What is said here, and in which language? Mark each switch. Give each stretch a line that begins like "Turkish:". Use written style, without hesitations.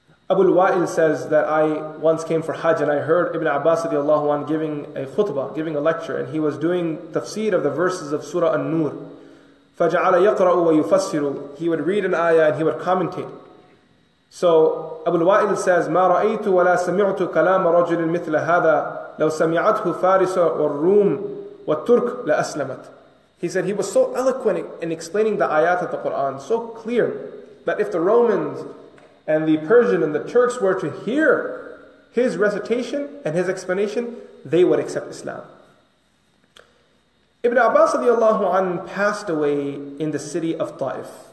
English: Abu al-Wa'il says that I once came for Hajj and I heard Ibn Abbas radiallahu anhu giving a khutbah, giving a lecture, and he was doing tafsir of the verses of Surah An-Nur.
Arabic: فَجَعَلَ يَقْرَأُ وَيُفَسِّرُ.
English: He would read an ayah and he would commentate. So Abu al-Wa'il says,
Arabic: مَا رَأَيْتُ وَلَا سَمِعْتُ كَلَامَ رَجُلٍ مِثْلَ هَذَا لَوْ سَمِعَتْهُ فَارِسَ وَالرُّومِ وَالتُّرْكُ لَأَسْلَمَتْ.
English: He said he was so eloquent in explaining the ayat of the Quran, so clear, that if the Romans and the Persian and the Turks were to hear his recitation and his explanation, they would accept Islam. Ibn Abbas radiallahu anhu passed away in the city of Ta'if.